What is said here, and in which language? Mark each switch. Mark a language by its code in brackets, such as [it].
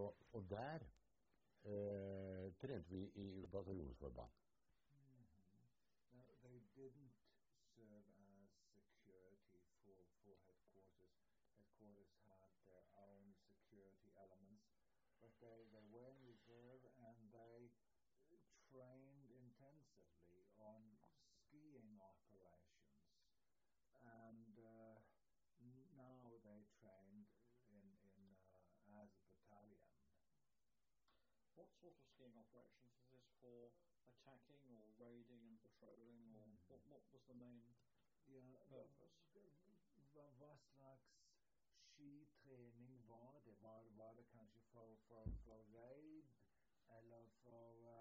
[sv] Och där tränade vi I bataljonsförband. Mm-hmm. [en] Now, they didn't serve as security for headquarters. Headquarters had their own security elements, but they were in reserve and they trained intensively on skiing operations, and now they trained in as a battalion. What sort of skiing operations is this for? Attacking or raiding and patrolling, or what was the main purpose? [sv] Vad slags skiträning var det? Var det kanske för raid eller för